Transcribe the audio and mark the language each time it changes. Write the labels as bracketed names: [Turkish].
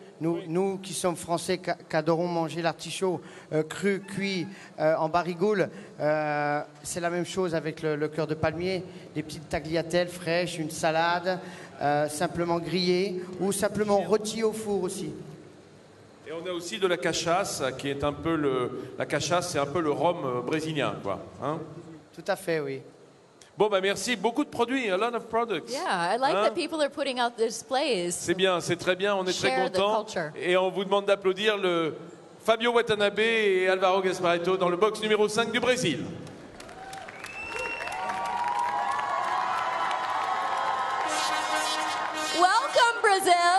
[French] Nous qui sommes français, qu'adorons manger l'artichaut cru, cuit, en barigoule, c'est la même chose avec le cœur de palmier. Des petites tagliatelles fraîches, une salade, simplement grillée ou simplement rôtie au four aussi. Et on a aussi de la cachaça, qui est un peu la cachaça, c'est un peu le rhum brésilien, quoi. Hein? Tout à fait, oui. Bon, ben merci. Beaucoup de produits. [English] A lot of products. Yeah, I like that people are putting out the displays. [French] C'est bien, c'est très bien. On est très contents. Et on vous demande d'applaudir le Fabio Watanabe et Alvaro Gasparetto dans le box numéro 5 du Brésil. [English] Welcome, Brazil.